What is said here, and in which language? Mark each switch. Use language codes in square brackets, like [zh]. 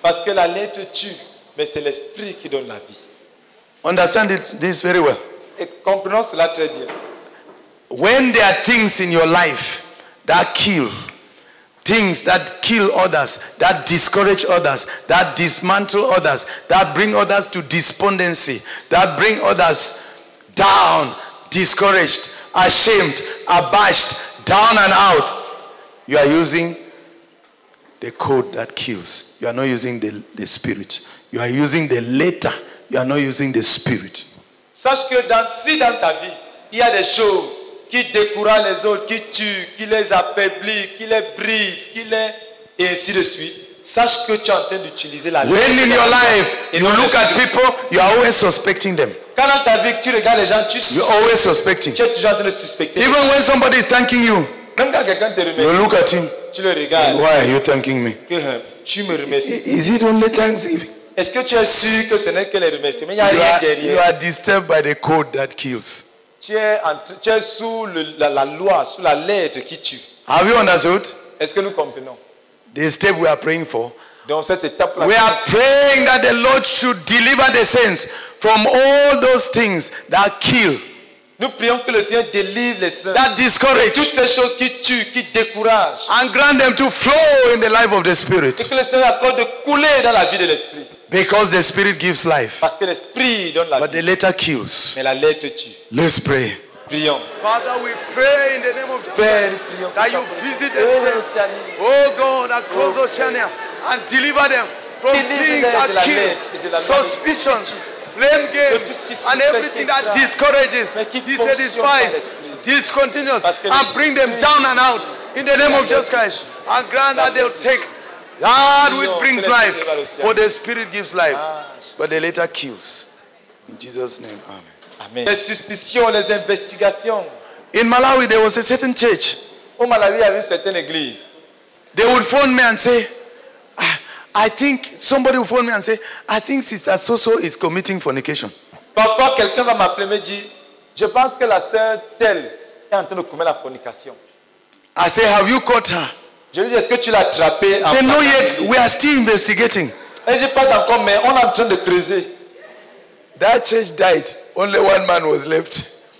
[fr] Parce que la lettre tue, mais c'est l'Esprit qui donne la vie. [en] Understand it, this very well. [fr] Et comprenons cela très bien. [en] When there are things in your life that kill, things that kill others, that discourage others, that dismantle others, that bring others to despondency, that bring others down, discouraged, ashamed, abashed, down and out, you are using the code that kills. You are not using the Spirit. You are using the letter. You are not using the Spirit. [fr] Sache que si dans ta vie, il y a des choses qui découragent les autres, qui tuent, qui les affaiblit, qui les brise, qui les... et ainsi de suite. Sache que tu es en train d'utiliser la [en] lettre. When in your life, you look at people, you are always suspecting them. [fr] Quand dans ta vie, tu regardes les gens, tu suspectes. [en] You're always suspecting. [fr] Tu es toujours en train de suspecter. [en] Even when somebody is thanking you, [fr] même quand quelqu'un te remercie, [en] you look at him. [fr] Tu le regardes. [en] Why are you thanking me? [fr] Tu me remercies. [en] Is it only thanksgiving? [fr] Est-ce que tu es sûr que ce n'est que les remerciements? Mais il n'y a rien derrière. [en] You are disturbed by the code that kills. [fr] Tu es sous la loi, sous la lettre qui tue. [en] Have you understood? [fr] Est-ce que nous comprenons? [en] The step we are praying for. [fr] Dans cette étape [en] we are praying that the Lord should deliver the saints from all those things that kill. [fr] Nous prions que le Seigneur délivre les saints. [en] That discourage. [fr] Toutes ces choses qui tuent, qui découragent. [en] And grant them to flow in the life of the Spirit. [fr] Et que le Seigneur accorde de couler dans la vie de l'Esprit. [en] Because the Spirit gives life. [fr] Parce que l'Esprit donne la [en] but [fr] vie. [en] But the letter kills. [fr] Mais la lettre tue. [en] Let's pray. [fr] Prions. [en] Father, we pray in the name of Jesus. [fr] Prions. [en] That you visit the saints. Oh God, across Oceania. And deliver them from things that kill, suspicions, blame games, and everything that discourages, dissatisfies, discontinues, and bring them down and out in the name of Jesus Christ. And grant that they'll take that which brings life, for the Spirit gives life, but the letter kills. In Jesus' name, amen. [fr] Amen. Les suspicions, les investigations. [en] In Malawi, there was a certain church. [fr] Au Malawi, il y avait certaine église. [en] They would phone me and say, I think somebody will phone me and say, I think Sister So-So is committing fornication. [fr] Parfois, quelqu'un va m'appeler et me dit, je pense que la sœur telle est en train de commettre la fornication. [en] I say, have you caught her? [fr] Je lui dis, est-ce que tu l'as attrapée? [en] Say, no yet, we are still investigating. [fr] Et je pense encore, mais on est en train de creuser. [en] That church died. Only one man was left.